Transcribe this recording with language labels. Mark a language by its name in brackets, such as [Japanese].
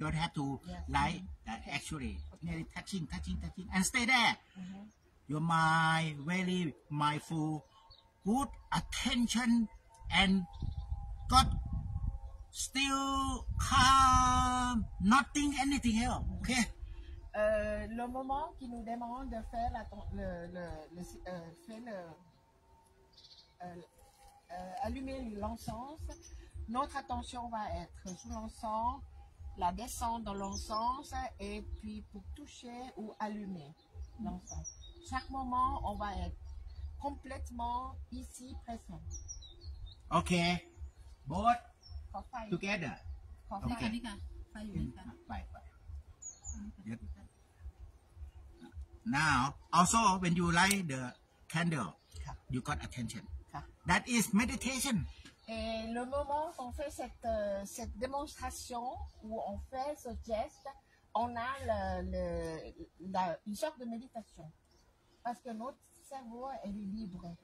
[English] Don't have to light that. Actually, nearly touching, and stay there. Your mind very mindful, good attention, and got still calm. Nothing, anything else. Okay. [French] Le moment qui nous demande de faire allumer l'encens, notre attention va être sous l'encens, la descente dans l'encens et puis pour toucher ou allumer l'encens. Chaque moment, on va être complètement ici présent. [English] Ok. Both together. Ok. Now, also when you light the candle, you got attention. That is meditation. [French] Et le moment qu'on fait cette démonstration où on fait ce geste, on a une sorte de méditation parce que notre cerveau est libre.